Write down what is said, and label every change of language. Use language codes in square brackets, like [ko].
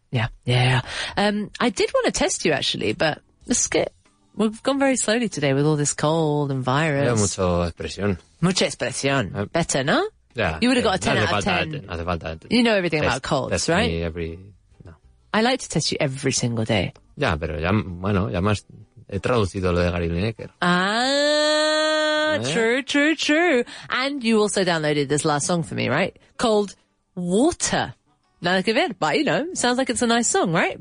[en] Yeah. I did want to test you, actually, but let's get We've gone very slowly today with all this cold and virus. [es] Yeah, mucho expresión. Mucha expresión. Better, no? [en] Yeah. You would have got a 10 out of 10. [es] Hace falta. [en] You know everything about colds, test right? Test me every... No. I like to test you every single day. [es] Yeah, pero ya, bueno, ya más he traducido lo de Gary Lineker. [en] Ah, true, true, true. And you also downloaded this last song for me, right? Called Water. [es] Nada que ver, [en] but you know, sounds like it's a nice song, right?